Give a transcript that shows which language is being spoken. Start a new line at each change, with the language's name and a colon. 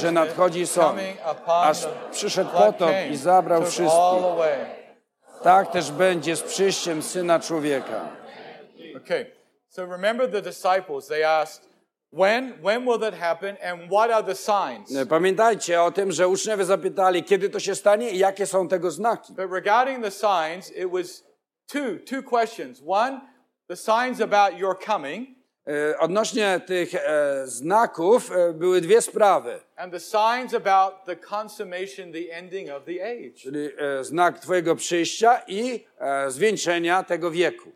Polish: że nadchodzi sąd, aż przyszedł potop i zabrał wszystkich. Tak też będzie z przyjściem Syna Człowieka.
English: Okay, so remember the disciples, they asked, When will that happen and what are the signs?
Polish: Pamiętajcie o tym, że uczniowie zapytali, kiedy to się stanie i jakie są tego znaki.
English: But regarding the signs, it was two questions. One, the signs about your coming.
Polish: Odnośnie tych znaków były dwie sprawy.
English: And the signs about the consummation, the ending of the age.
Polish: Czyli znak twojego przyjścia i zwieńczenia tego wieku.